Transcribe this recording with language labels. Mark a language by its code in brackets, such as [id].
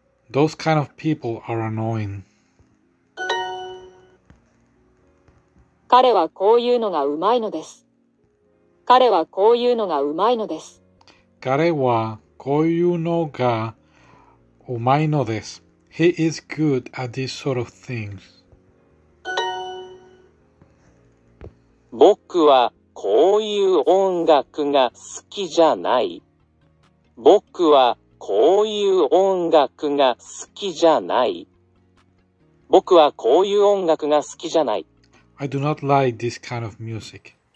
[en] Those kind of people are annoying. [ja] 彼はこういうのがうまいのです。彼はこういうのがうまいのです。彼はこういうのがうまいのです。 [en] He is good at these sort of things. [ja] 僕はこういう音楽が好きじゃない。僕はこういう音楽が好きじゃない。僕はこういう音楽が好きじゃない。 [en] I do not like this kind of music.